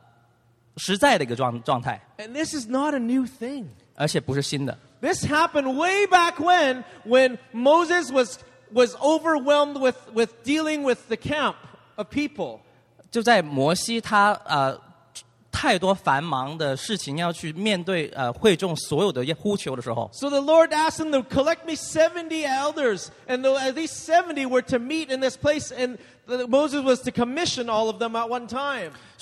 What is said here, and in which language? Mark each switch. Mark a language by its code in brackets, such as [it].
[zh] 我们真实的真的去看见领受神的各个耶稣的各个身体在各地方如此的去连接呢，已经去到一个很清楚实在的一个状态。 [en] And this is not a new thing. [zh] 而且不是新的。 [en] This happened way back when Moses was overwhelmed with dealing with the camp of people. [zh] 就在摩西他太多繁忙的事情要去面对会众所有的呼求的时候。 [en] So the Lord asked him to collect me 70 elders, and at least 70 were to meet in this place, and Moses was to commission all of them at one time.